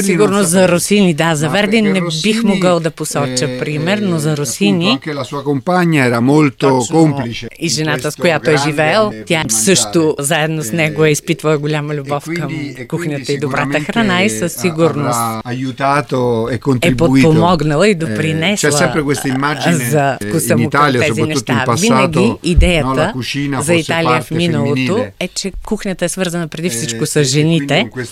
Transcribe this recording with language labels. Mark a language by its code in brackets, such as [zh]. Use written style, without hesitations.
[bg] Сигурно за Росини, да, за Верди не бих могъл да посоча пример, но за Росини. [it] Anche la sua compagna era molto complice. [bg] И жената, с която е живеел, тя също заедно с него е изпитвала голяма любов към кухнята и добрата храна и със сигурност [it] aiutato e contribuito. [bg] Е подпомогнала и допринесла. [it] C'è sempre questa immagine in Italia, soprattutto in passato. [bg] Идеята за Италия в миналото е, че кухнята е свързана преди всичко с жените.